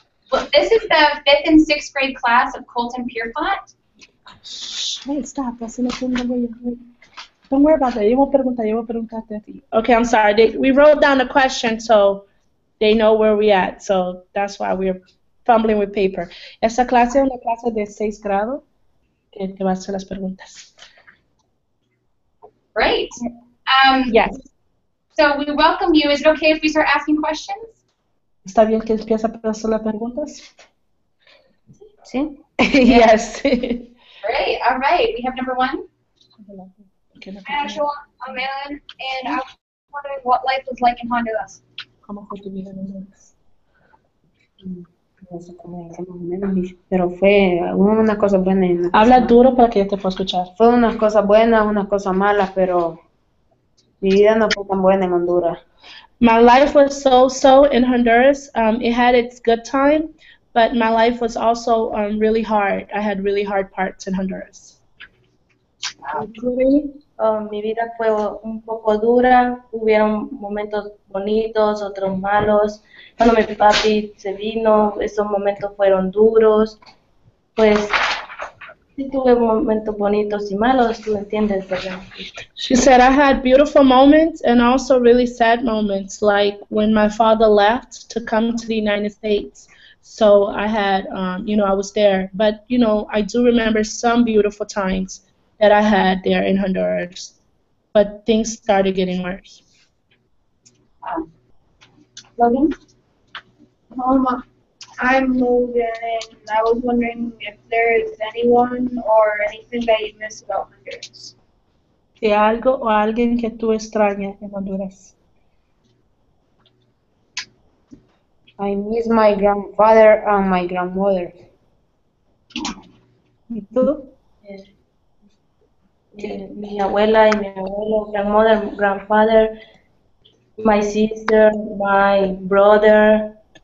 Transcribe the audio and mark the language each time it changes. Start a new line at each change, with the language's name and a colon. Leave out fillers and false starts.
English: Well, this is the 5th and 6th grade class of Colton-Pierrepont. Shh, wait, stop. That's in the number. Don't worry about that.
Spanish: Yo voy a preguntar, a ti.
English: Okay, I'm sorry. We wrote down a question, so they know where we're at. So that's why we're fumbling with paper.
Spanish: Esta clase es una clase de 6 grado que te va a hacer las preguntas.
English: Great. Yes. So we welcome you. Is it okay if we start asking questions?
Spanish: ¿Está bien que empiece a hacer las preguntas? Sí.
English: Yes. Yes. Great. All right. We have number one.
Spanish: Habla duro para que yo te pueda escuchar. Fue una cosa buena, una cosa mala, pero mi vida no fue tan buena en Honduras.
English: My life was so-so in Honduras. It had its good time, but my life was also really hard. I had really hard parts in Honduras.
Spanish: Mi vida fue un poco dura, hubieron momentos bonitos, otros malos. Cuando mi papi se vino, esos momentos fueron duros. Pues, sí tuve momentos bonitos y malos, ¿tú entiendes?
English: She said, I had beautiful moments and also really sad moments, like when my father left to come to the United States. So I had, you know, I was there. But, you know, I do remember some beautiful times that I had there in Honduras, but things started getting worse. Logan? I'm moving. I was wondering if there is anyone or anything that you miss about Honduras.
Spanish: ¿Qué algo o alguien que tú extrañas en Honduras?
English: I miss my grandfather and my grandmother.
Spanish: ¿Y tú? Mi abuela y mi abuelo,
English: grandmother, grandfather, my sister, my brother.